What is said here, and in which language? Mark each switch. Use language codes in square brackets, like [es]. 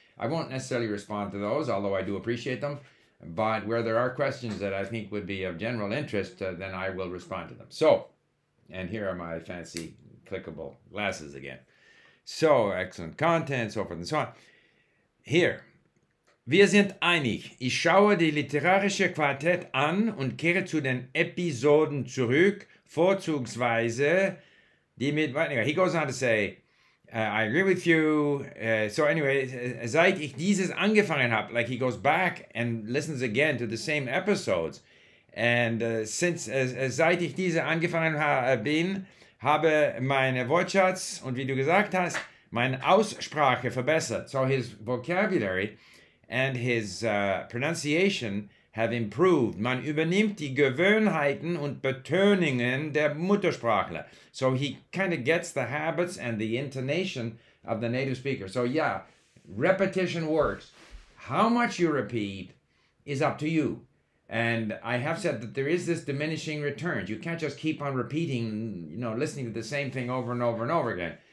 [en] I won't necessarily respond to those, although I do appreciate them, but where there are questions that I think would be of general interest, then I will respond to them. So, and here are my fancy clickable glasses again. So, excellent content, so forth and so on. [de] Here, wir sind einig. Ich schaue die literarische Quartett an und kehre zu den Episoden zurück, vorzugsweise die mit. [en] Anyway, he goes on to say, I agree with you. So anyway, [de] seit ich dieses angefangen habe, [en] like he goes back and listens again to the same episodes, and since [de] seit ich diese angefangen bin, habe meine Wortschatz und wie du gesagt hast. Meine Aussprache verbessert. [en] So his vocabulary and his pronunciation have improved. [de] Man übernimmt die Gewohnheiten und Betonungen der Muttersprachler. [en] So he kind of gets the habits and the intonation of the native speaker. So yeah, repetition works. How much you repeat is up to you. And I have said that there is this diminishing return. You can't just keep on repeating, you know, listening to the same thing over and over and over again.